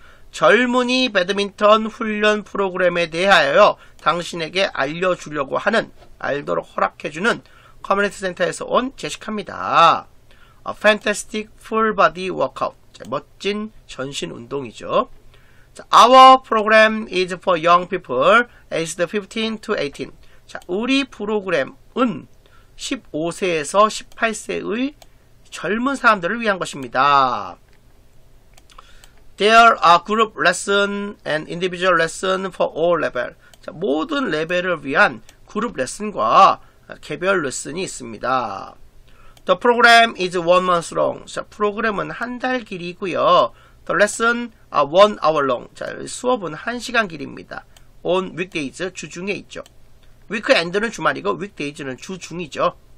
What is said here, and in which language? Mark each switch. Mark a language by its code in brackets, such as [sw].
[ko] 젊은이 배드민턴 훈련 프로그램에 대하여 당신에게 알려주려고 하는, 알도록 허락해주는 Community Center에서 온 제시카입니다. [en] A fantastic full body workout. [ko] 자, 멋진 전신 운동이죠. [en] Our program is for young people aged 15 to 18. [ko] 자, 우리 프로그램은 15세에서 18세의 젊은 사람들을 위한 것입니다. [en] There are group lessons and individual lessons for all levels. [ko] 자, 모든 레벨을 위한 그룹 레슨과 개별 레슨이 있습니다. [en] The program is 1 month long. [ko] 자, 프로그램은 한 달 길이고요. [en] The lesson are 1 hour long. [ko] 자, 수업은 1시간 길입니다. [en] On weekdays, [ko] 주중에 있죠. Weekend는 주말이고 weekdays는 주중이죠.